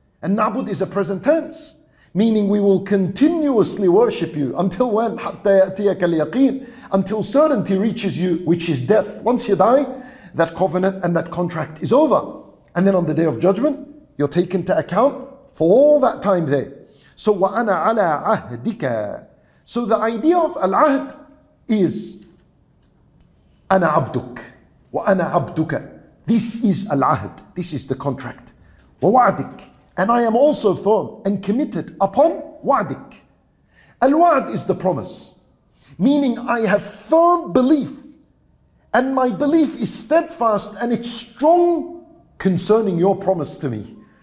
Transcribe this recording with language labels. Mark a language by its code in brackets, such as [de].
[en] And نَعْبُدْ is a present tense, meaning we will continuously worship you until when? [ar] حَتَّى يَأْتِيَكَ الْيَقِينَ, [en] until certainty reaches you, which is death. Once you die, that covenant and that contract is over. And then on the Day of Judgment, you're taken to account for all that time there. So, [ar] وَأَنَا عَلَىٰ عَهْدِكَ. [en] So the idea of al-ahd is [ar] أَنَا عَبْدُكَ وَأَنَا عَبْدُكَ. [en] This is al-ahd. This is the contract. وَوَعْدِكَ. And I am also firm and committed upon وَعْدِكَ. Al-wa'd is the promise, meaning I have firm belief, and my belief is steadfast and it's strong concerning your promise to me.